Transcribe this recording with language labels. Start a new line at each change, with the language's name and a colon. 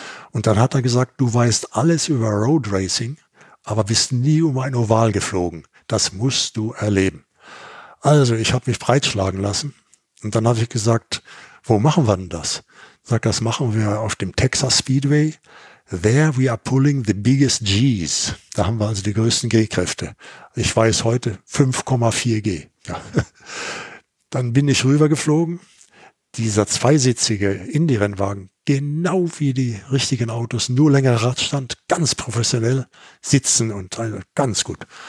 German: Und dann hat er gesagt, du weißt alles über Road Racing, aber bist nie um ein Oval geflogen. Das musst du erleben. Also, ich habe mich breitschlagen lassen und dann habe ich gesagt, wo machen wir denn das? Sagt, das machen wir auf dem Texas Speedway.
English: There we are pulling the biggest G's.
German: Da haben wir also die größten G-Kräfte. Ich weiß heute 5,4 G. Ja. Dann bin ich rübergeflogen. Dieser zweisitzige Indy-Rennwagen, genau wie die richtigen Autos, nur längerer Radstand, ganz professionell sitzen und ganz gut.